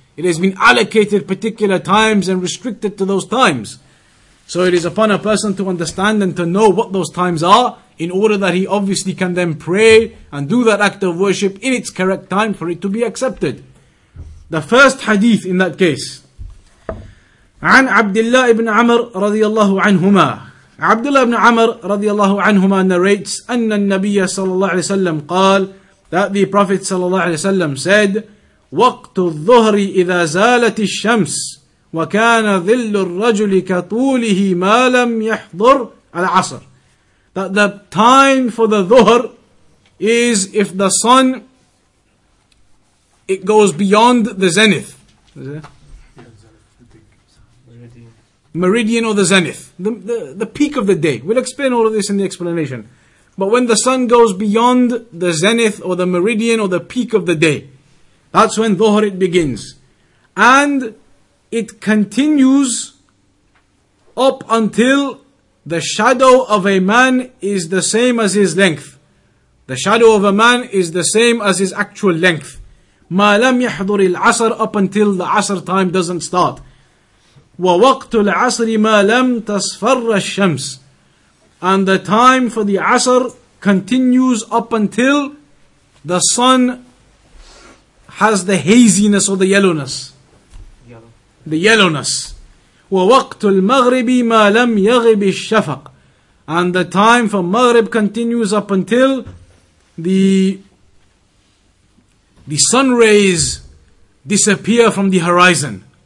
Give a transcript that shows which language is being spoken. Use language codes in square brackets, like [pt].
[en] It has been allocated particular times and restricted to those times. So it is upon a person to understand and to know what those times are in order that he obviously can then pray and do that act of worship in its correct time for it to be accepted. The first hadith in that case. [ar] عن عبد الله بن عمر رضي الله عنهما. عبد الله بن عمر رضي الله عنهما [en] narrates [ar] أن النبي صلى الله عليه وسلم قال [en] that the Prophet صلى الله عليه وسلم said [ar] وقت الظهر إذا زالت الشمس وكان ظل الرجل كطوله ما لم يحضر العصر. [en] That the time for the dhuhr is if the sun, it goes beyond the zenith. Meridian or the zenith. The peak of the day. We'll explain all of this in the explanation. But when the sun goes beyond the zenith or the meridian or the peak of the day, that's when dhuhr it begins. And it continues up until the shadow of a man is the same as his length. The shadow of a man is the same as his actual length. [ar] ما لم يحضر العصر, [en] up until the عصر time doesn't start. [ar] ووقت العصر ما لم تصفر الشمس. [en] And the time for the عصر continues up until the sun has the haziness or the yellowness. The yellowness. [ar] ووقت المغرب ما لم يغب الشفق. [en] And the time for Maghrib continues up until the sun rays disappear from the horizon.